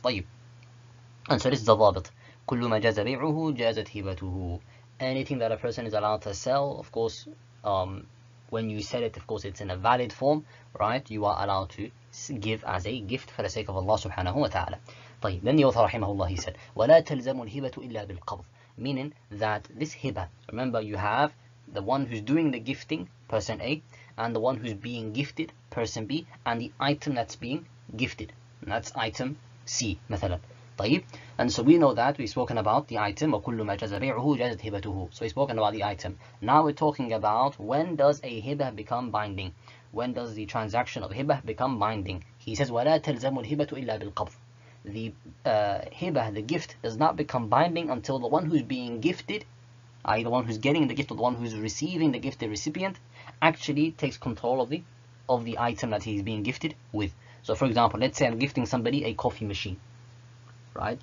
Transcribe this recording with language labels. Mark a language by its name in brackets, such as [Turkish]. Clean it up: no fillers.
[Arabic] طيب. [English] And so this is the ضابط. [Arabic] كل ما جاز بيعه جازت هبته. [English] Anything that a person is allowed to sell, of course, when you sell it, of course, it's in a valid form, right? You are allowed to give as a gift for the sake of Allah subhanahu wa ta'ala. [Arabic] طيب. [English] Then the author [Arabic] رحمه الله [English] he said, [Arabic] ولا تلزم الهبة إلا بالقبض. [English] Meaning that this هبة, remember, you have the one who's doing the gifting, person A, and the one who's being gifted, person B, and the item that's being gifted, that's item C, مثلا. [Arabic] طيب. [English] And so we know that we've spoken about the item. [Arabic] وكل ما جاز بيعه جازت هبته. [English] So we've spoken about the item. Now we're talking about when does a hibah become binding. When does the transaction of hibah become binding? He says, [Arabic] وَلَا تَلْزَمُ الْهِبَةُ إِلَّا بِالْقَبْضِ. [English] The hibah, the gift, does not become binding until the one who's being gifted, i.e. the one who's getting the gift or the one who's receiving the gift, the recipient, actually takes control of the item that he's being gifted with. So for example, let's say I'm gifting somebody a coffee machine, right?